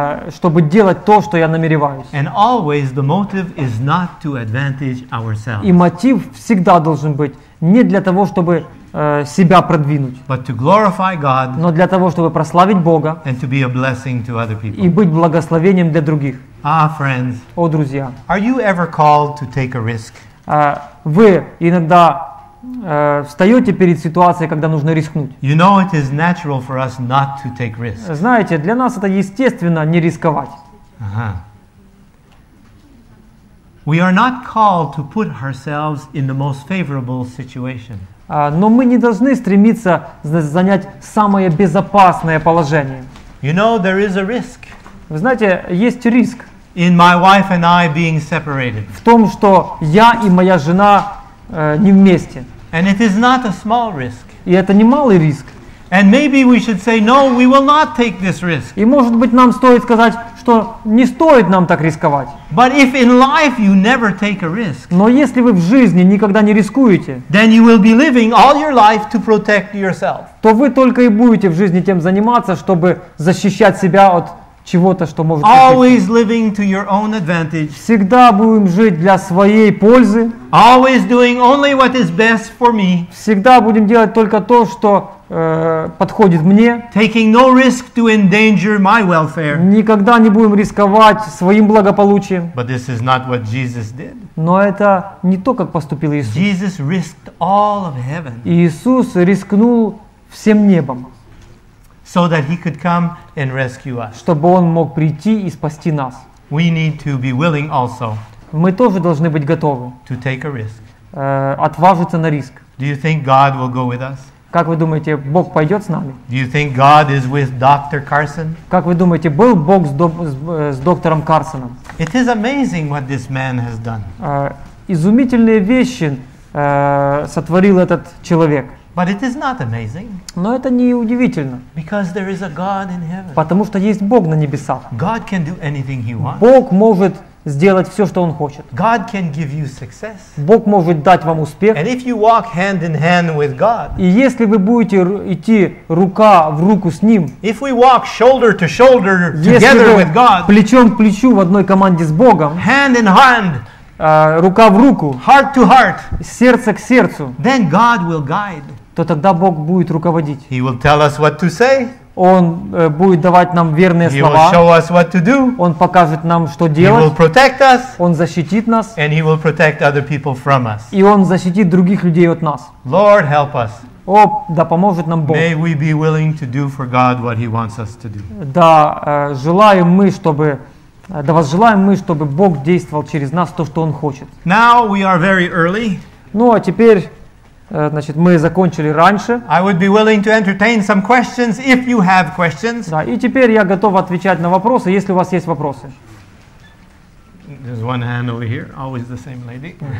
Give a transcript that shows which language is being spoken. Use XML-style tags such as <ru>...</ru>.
<ru>Чтобы делать то, что я намереваюсь.</ru> <en>And always the motive is not to advantage ourselves.</en> <ru>И мотив всегда должен быть не для того, чтобы себя продвинуть,</ru> <en>but to glorify God,</en> <ru>но для того, чтобы прославить Бога,</ru> <en>and to be a blessing to other people.</en> <ru>И быть благословением для других.</ru> <en>Ah, friends,</en> <ru>о, друзья,</ru> <en>are you ever called to take a risk?</en> <ru>Вы иногда встаете перед ситуацией, когда нужно рискнуть.</ru> <en>You know, it is natural for us not to take risks.</en> <ru>Знаете, для нас это естественно не рисковать. Uh-huh.</ru> <en>We are not called to put ourselves in the most favorable situation.</en> <ru>Но мы не должны стремиться занять самое безопасное положение.</ru> <en>You know, there is a risk.</en> <ru>Вы знаете, есть риск.</ru> <en>In my wife and I being separated.</en> <ru>В том, что я и моя жена не вместе.</ru> <en>And it is not a small risk.</en> <ru>И это не малый риск.</ru> <en>And maybe we should say, no, we will not take this risk.</en> <ru>И может быть нам стоит сказать, что не стоит нам так рисковать.</ru> <en>But if in life you never take a risk.</en> <ru>Но если вы в жизни никогда не рискуете.</ru> <en>Then you will be living all your life to protect yourself.</en> <ru>То вы только и будете в жизни тем заниматься, чтобы защищать себя от чего-то, что может</ru> <en>Always</en> <ru>быть.</ru> <en>Living to your own advantage.</en> <ru>Всегда будем жить для своей пользы.</ru> <en>Always doing only what is best for me.</en> <ru>Всегда будем делать только то, что подходит мне.</ru> <en>Taking no risk to endanger my welfare.</en> <ru>Никогда не будем рисковать своим благополучием.</ru> <en>But this is not what Jesus did.</en> <ru>Но это не то, как поступил Иисус.</ru> <en>Jesus risked all of heaven.</en> <ru>Иисус рискнул всем небом.</ru> <en>So that he could come and rescue us.</en> <ru>Чтобы он мог прийти и спасти нас.</ru> <en>We need to be willing also.</en> <ru>Мы тоже должны быть готовы.</ru> <en>To take a risk.</en> <ru>Отважиться на риск.</ru> <en>Do you think God will go with us?</en> <ru>Как вы думаете, Бог пойдет с нами?</ru> <en>Do you think God is with Dr. Carson?</en> <ru>Как вы думаете, был Бог с доктором Карсоном?</ru> <en>It is amazing what this man has done.</en> <ru>Изумительные вещи сотворил этот человек.</ru> <en>But it is not amazing.</en> <ru>Но это не удивительно.</ru> <en>Because there is a God in heaven.</en> <ru>Потому что есть Бог на небесах.</ru> <en>God can do anything he wants.</en> <ru>Бог может сделать все, что он хочет.</ru> <en>God can give you success.</en> <ru>Бог может дать вам успех.</ru> <en>And if you walk hand in hand with God.</en> <ru>И если вы будете идти рука в руку с ним.</ru> <en>If we walk shoulder to shoulder together with God.</en> <ru>Плечом к плечу в одной команде с Богом.</ru> <en>Hand in hand.</en> <ru>Рука в руку,</ru> <en>heart to heart,</en> <ru>сердце к сердцу,</ru> <en>then God will guide.</en> <ru>То тогда Бог будет руководить.</ru> <en>He will tell us what to say.</en> <ru>Он будет давать нам верные</ru> <en>he</en> <ru>слова.</ru> <en>Will show us what to do.</en> <ru>Он покажет нам, что делать.</ru> <en>He will protect us.</en> <ru>Он защитит нас.</ru> <en>And he will protect other people from us.</en> <ru>И он защитит других людей от нас.</ru> <en>Lord, help us.</en> <ru>О, да поможет нам Бог.</ru> <en>May we be willing to do for God what He wants us to do.</en> <ru>Да, желаем мы, чтобы Да возжелаем мы, чтобы Бог действовал через нас то, что Он хочет.</ru> <en>Now we are very early.</en> <ru>Ну, а теперь, значит, мы закончили раньше.</ru> <en>I would be willing to entertain some questions, if you have questions.</en> <ru>Да, и теперь я готов отвечать на вопросы, если у вас есть вопросы.</ru> <en>There's one hand over here, always the same lady.</en>